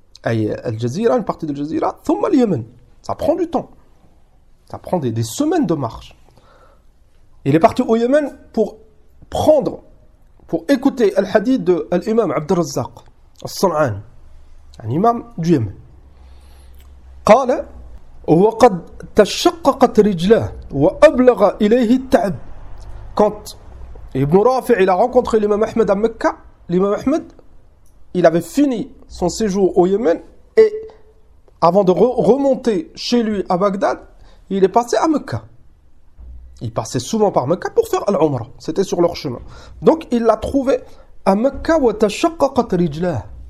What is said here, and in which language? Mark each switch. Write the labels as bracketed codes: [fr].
[fr] Et Al-Jazira, une partie de Al-Jazira. Thomas, le Yémen. Ça prend du temps. Ça prend des semaines de marche. Il est parti au Yémen pour prendre, pour écouter le hadith de l'imam Abd al-Razzaq, al-San'an, un imam du Yémen. [ar] قال وقد تشققت رجلاه وأبلغ إليه التعب. [fr] Quand Ibn Rafi il a rencontré l'imam Ahmed à Mecca, l'imam Ahmed il avait fini son séjour au Yémen et avant de remonter chez lui à Bagdad, il est passé à Mecca. Il passait souvent par Mecca pour faire l'Umrah. C'était sur leur chemin. Donc il l'a trouvé à Mecca [ar] وتشققت رجلاه.